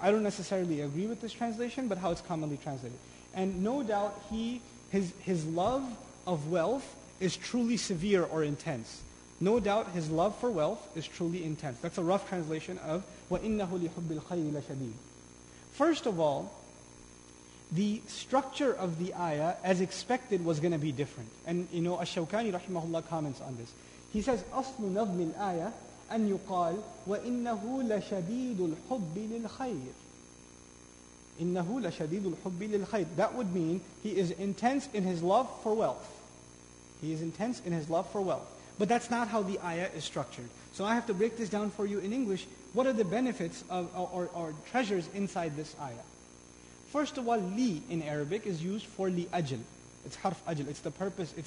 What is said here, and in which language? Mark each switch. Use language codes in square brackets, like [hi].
[en] I don't necessarily agree with this translation, but how it's commonly translated. And no doubt, his love of wealth is truly severe or intense. No doubt his love for wealth is truly intense. That's a rough translation of [ar] وَإِنَّهُ لِحُبِّ الْخَيْرِ لَشَدِيدٌ. [en] First of all, the structure of the ayah, as expected, was going to be different. And you know, Ash-Shawkani rahimahullah comments on this. He says, [ar] أَصْلُ نَظْمِ الْآيَةِ أَنْ يُقَالْ وَإِنَّهُ لَشَدِيدُ الْحُبِّ لِلْخَيْرِ. إِنَّهُ لَشَدِيدُ الْحُبِّ لِلْخَيْرِ. [en] That would mean he is intense in his love for wealth. He is intense in his love for wealth. But that's not how the ayah is structured. So I have to break this down for you in English. What are the benefits of or treasures inside this ayah? First of all, li in Arabic is used for li ajl. It's harf ajl. It's the purpose.